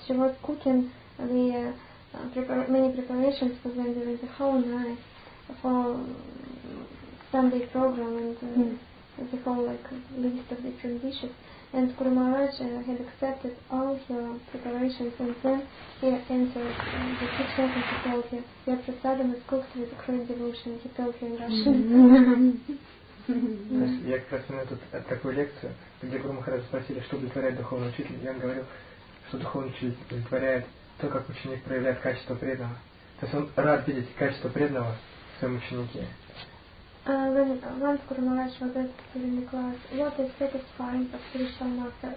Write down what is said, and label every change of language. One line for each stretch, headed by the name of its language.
English: She was cooking the many preparations for them during the whole night for Sunday program and the whole like list of different dishes. And Guru Maharaj had accepted all her preparations, and then he entered the kitchen and he told her, "Your prasadam is cooked with great devotion." He told her in Russian.
Russian: Я как раз на тут такую лекцию, где Гуру Махарадж спросили, что удовлетворяет духовный учитель. Я говорил, что духовный учитель удовлетворяет то, как ученик проявляет качество преданного. То есть он рад видеть качество преданного в своем ученике.
English: Once Guru Maharaj was asked in the class, what is satisfying for spiritual master?